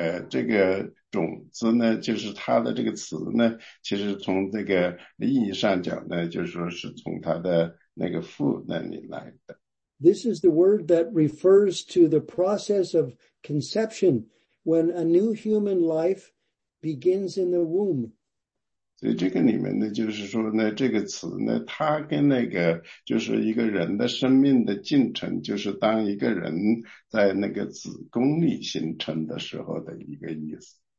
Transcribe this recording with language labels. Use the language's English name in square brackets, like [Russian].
[Chinese] 这个种子呢，就是它的这个词呢，其实从这个意义上讲呢，就是说是从它的那个父那里来的。 [English] This is the word that refers to the process of conception when a new human life begins in the womb. [Chinese] 所以这个里面呢，就是说呢，这个词呢，它跟那个就是一个人的生命的进程，就是当一个人在那个子宫里形成的时候的一个意思。